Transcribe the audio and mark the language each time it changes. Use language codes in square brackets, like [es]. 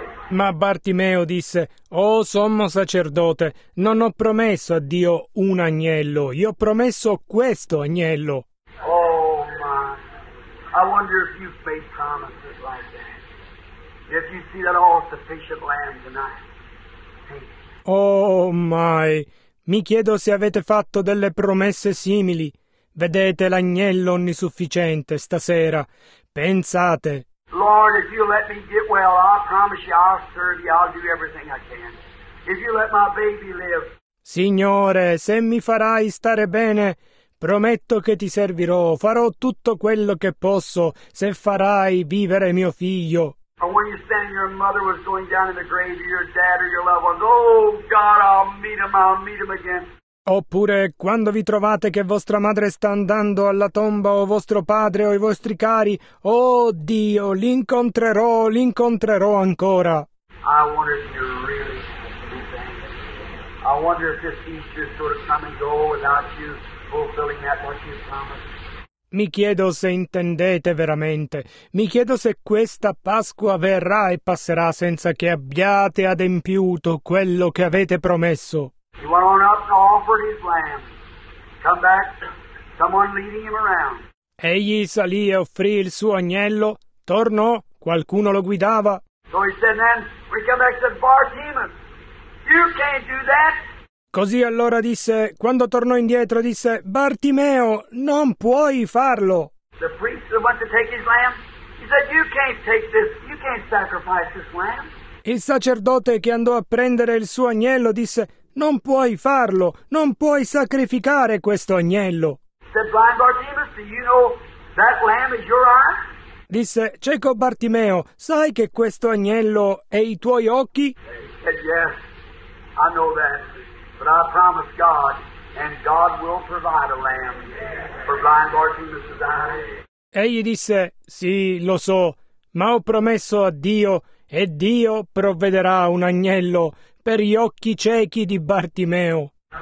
[it] Ma Bartimeo disse, oh sommo sacerdote, non ho promesso a Dio un agnello, io ho promesso questo agnello. [en] Oh my, I wonder if you've made promises like that. If you see that all-sufficient lamb tonight. [it] Oh my, mi chiedo se avete fatto delle promesse simili. Vedete l'agnello onnisufficiente stasera. Pensate. [en] Lord, if you let me get well, I promise you I'll serve you, I'll do everything I can. If you let my baby live. [it] Signore, se mi farai stare bene, prometto che ti servirò, farò tutto quello che posso, se farai vivere mio figlio. [en] And when you stand and your mother was going down in the grave, your dad or your loved ones, oh God, I'll meet him again. [it] Oppure, quando vi trovate che vostra madre sta andando alla tomba, o vostro padre, o i vostri cari, oh Dio, l'incontrerò ancora. [en] I wonder if you're really anything. I wonder if this Easter sort of come and go without you fulfilling that what you promised. [it] Mi chiedo se intendete veramente. Mi chiedo se questa Pasqua verrà e passerà senza che abbiate adempiuto quello che avete promesso. [en] He went on up to offer his lamb. Come back, someone leading him around. [it] Egli salì e offrì il suo agnello. Tornò, qualcuno lo guidava. [en] So he said, then we come back to Bartimaeus. You can't do that. [it] Così allora disse, quando tornò indietro, disse, Bartimeo, non puoi farlo. [en] The priest that went to take his lamb, said, you can't take this, you can't sacrifice this lamb. [it] Il sacerdote che andò a prendere il suo agnello disse, non puoi farlo, non puoi sacrificare questo agnello. [en] Said blind Bartimaeus, do you know that lamb is your eye? [it] Disse, cieco Bartimeo, sai che questo agnello è i tuoi occhi? [en] Said, yes, I know that, but I promise God, and God will provide a lamb for blind Bartimaeus' eyes. [it] Egli disse, sì, lo so, ma ho promesso a Dio, e Dio provvederà un agnello per gli occhi ciechi di Bartimeo.